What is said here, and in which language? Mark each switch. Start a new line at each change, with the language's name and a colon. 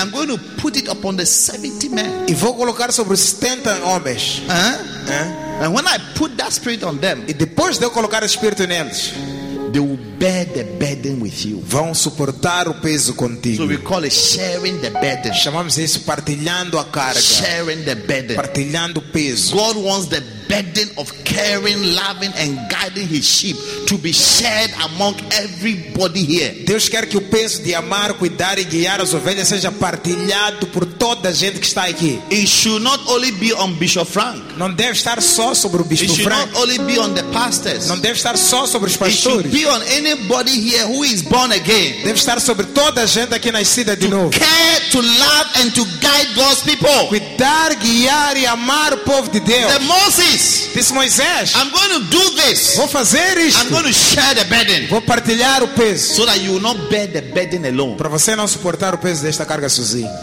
English: And I'm going to put it upon the 70 men.
Portuguese: E vou colocar sobre os 70 homens.
English: And when I put that spirit on them.
Portuguese: E depois de eu colocar o espírito neles.
English: They will bear the burden with you.
Portuguese: Vão suportar o peso contigo.
English: So we call it sharing the burden.
Portuguese: Chamamos isso partilhando a carga.
English: Sharing the burden.
Portuguese: Partilhando o peso.
English: God wants the burden of caring, loving and guiding his sheep to be shared among everybody here.
Portuguese: Deus quer que o peso de amar, cuidar e guiar as ovelhas seja partilhado por toda a gente que está aqui.
English: It should not only be on Bishop Frank.
Portuguese: Não deve estar só sobre o Bispo Frank.
English: It should not only be on the pastors.
Portuguese: Não deve estar só sobre os pastores.
English: It should be on anybody here who is born again.
Portuguese: Deve estar sobre toda a gente aqui nascida de novo.
English: To care, to love and to guide God's people.
Portuguese: Cuidar, guiar e amar o povo de Deus.
English: The Moses.
Portuguese: This Moisés.
English: I'm going to do this.
Portuguese: Vou fazer isto.
English: I'm going to share the burden.
Portuguese: Vou partilhar o peso.
English: So that you will not bear the burden alone.
Portuguese: Para você não suportar o peso desta carga sozinho.